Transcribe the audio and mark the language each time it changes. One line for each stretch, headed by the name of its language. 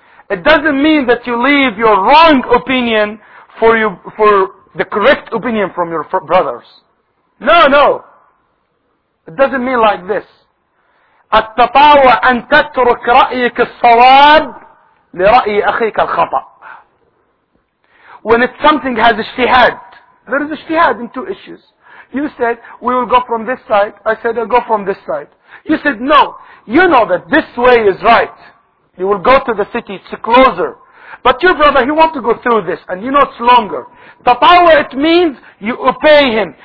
English: It doesn't mean that you leave your wrong opinion for the correct opinion from your brothers. No. It doesn't mean like this.
Arabic: التطاوع أن تترك رأيك الصواب لرأي أخيك الخطأ.
English: When it's something has اجتهاد, there is اجتهاد in two issues. You said, we will go from this side. I said, I'll go from this side. You said, no. You know that this way is right. You will go to the city, it's closer. But your brother, he wants to go through this, and you know it's longer. Tatawa, it means you obey him.